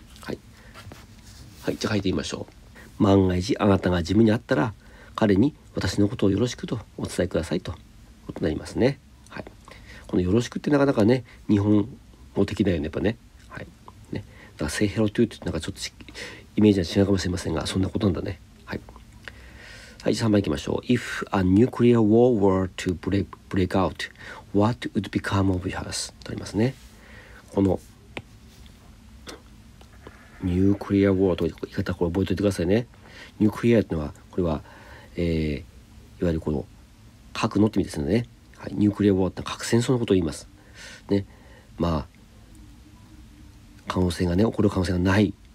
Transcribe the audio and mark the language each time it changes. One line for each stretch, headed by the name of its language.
Japanese: はい、じゃあ書いてみましょう。万が一あなたがジムに会ったら、彼に私のことをよろしくとお伝えくださいということになりますね。はい、このよろしくってなかなかね、日本語的だよね、やっぱね。はい、ね、だから
English: say hello to
Japanese: ってなんかちょっとイメージは違うかもしれませんが、そんなことなんだね。はい、はい、3番いきましょう。
English: If a nuclear war were to break out, what would become of us?
Japanese: とありますね。このニュークリアウォーという言い方、これ覚えておいてくださいね。ニュークリアというのは、これは、いわゆるこの核のって意味ですよね。はい、ニュークリアウォーというのは核戦争のことを言います。ね、まあ、可能性がね、起こる可能性がない。